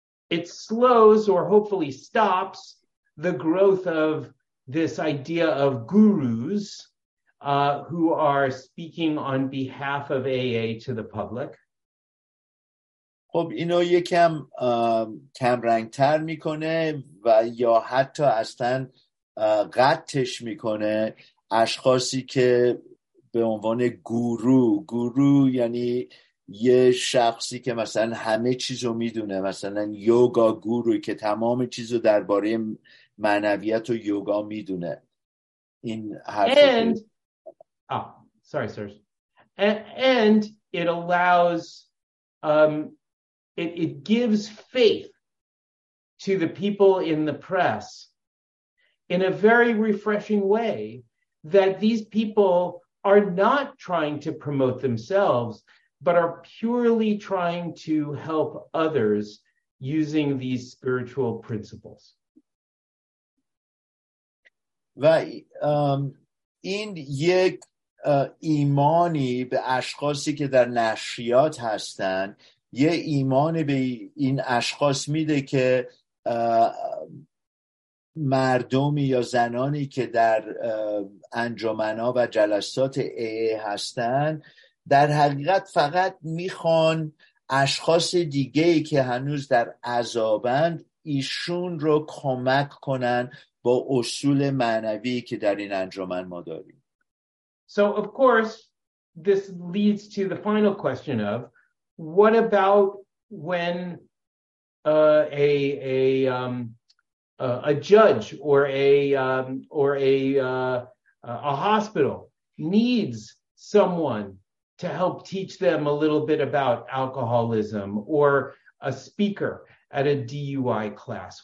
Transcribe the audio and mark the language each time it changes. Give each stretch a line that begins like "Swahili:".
English: It slows or hopefully stops the growth of this idea of gurus who are speaking on behalf of AA to the public.
Persian: خب اینو یکم کم رنگ‌تر میکنه و یا حتی اصلا قطعش میکنه اشخاصی که به عنوان گورو یعنی یه شخصی که مثلا همه چیزو میدونه، مثلا یوگا گورو که تمام چیزو درباره معنویت و یوگا میدونه. این حرف
English: and and it allows it gives faith to the people in the press in a very refreshing way that these people are not trying to promote themselves but are purely trying to help others using these spiritual principles.
Persian: و این یک ایمانی به اشخاصی که در نشریات هستند، یه ایمانی به این اشخاص میده که مردمی یا زنانی که در انجمنا و جلسات AA هستن در حقیقت فقط میخوان اشخاص دیگه‌ای که هنوز در عذابند ایشون رو کمک کنن با اصول معنوی که در این انجمن ما داریم.
English: So of course this leads to the final question of what about when a judge or a hospital needs someone to help teach them a little bit about alcoholism or a speaker at a DUI class.